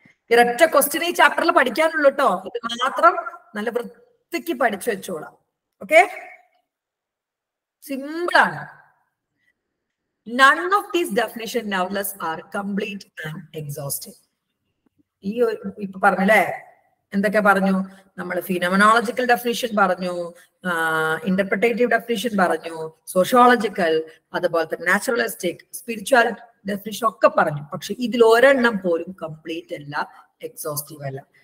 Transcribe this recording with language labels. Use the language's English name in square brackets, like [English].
[Malayalam] ഇരട്ട ക്വസ്റ്റ്യൻ ഈ ചാപ്റ്ററിൽ പഠിക്കാനുള്ളു കേട്ടോ, ഇത് മാത്രം നല്ല വൃത്തിക്ക് പഠിച്ചു വെച്ചോളാം. ഓക്കെ, സിമ്പിളാണ്. [English] None of these definitions nevertheless are complete and exhaustive. [Malayalam] ഈ ഇപ്പൊ പറഞ്ഞല്ലേ, എന്തൊക്കെ പറഞ്ഞു നമ്മൾ, ഫിനോമനോളജിക്കൽ ഡെഫിനിഷൻ പറഞ്ഞു, ഇന്റർപ്രിറ്റേറ്റീവ് ഡെഫിനിഷൻ പറഞ്ഞു, സോഷ്യോളജിക്കൽ, അതുപോലെ തന്നെ നാച്ചുറലിസ്റ്റിക്, സ്പിരിച്വാലിറ്റി ഡെഫിനിഷൻ ഒക്കെ പറഞ്ഞു. പക്ഷെ ഇതിൽ ഒരെണ്ണം പോലും കംപ്ലീറ്റ് അല്ല, എക്സോസ്റ്റീവ് അല്ല.